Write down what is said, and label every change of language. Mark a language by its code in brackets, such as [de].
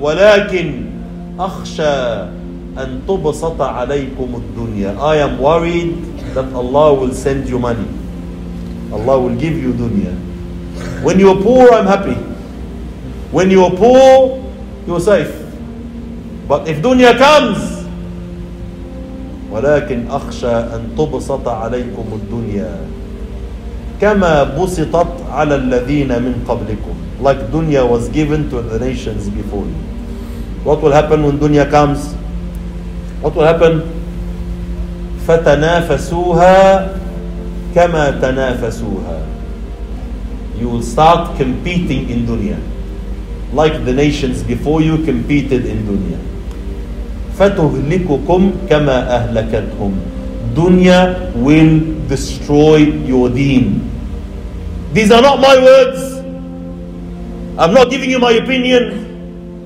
[ar] وَلَكِنْ أَخْشَى أَن تُبْسَطَ عَلَيْكُمُ الدُّنْيَا. [en] I am worried that Allah will send you money. Allah will give you dunya. When you are poor, I'm happy. When you are poor, you are safe. But if dunya comes, [ar] ولكن أخشى أن تبسط عليكم الدنيا كما بسطت على الذين من قبلكم. [en] Like dunya was given to the nations before you. What will happen when dunya comes? What will happen? [ar] فتنافسوها كما تنافسوها. [en] You will start competing in dunya, like the nations before you competed in dunya. [ar] فتهلككم كما أهلكتهم. [en] Dunya will destroy your deen. These are not my words. I'm not giving you my opinion.